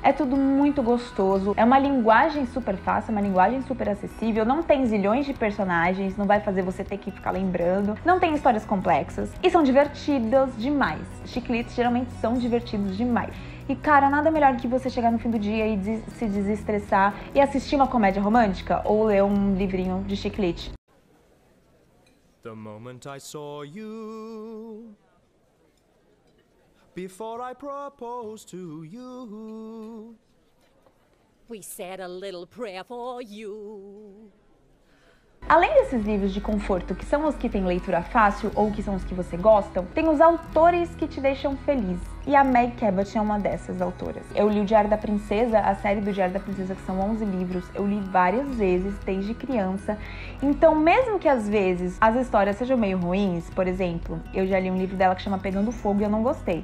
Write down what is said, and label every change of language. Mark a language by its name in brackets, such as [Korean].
[Portuguese] É tudo muito gostoso, é uma linguagem super fácil, uma linguagem super acessível, não tem zilhões de personagens, não vai fazer você ter que ficar lembrando, não tem histórias complexas, e são divertidos demais. Chick lit geralmente são divertidos demais. E cara, nada melhor que você chegar no fim do dia e se desestressar e assistir uma comédia romântica ou ler um livrinho de chiclete. [English] The moment I saw you, before I proposed to you, we said a little prayer for you. [Portuguese] Além desses livros de conforto, que são os que têm leitura fácil ou que são os que você gosta, tem os autores que te deixam feliz. E a Meg Cabot é uma dessas autoras. Eu li o Diário da Princesa, a série do Diário da Princesa, que são 11 livros. Eu li várias vezes, desde criança. Então, mesmo que às vezes as histórias sejam meio ruins, por exemplo, eu já li um livro dela que chama Pegando Fogo e eu não gostei.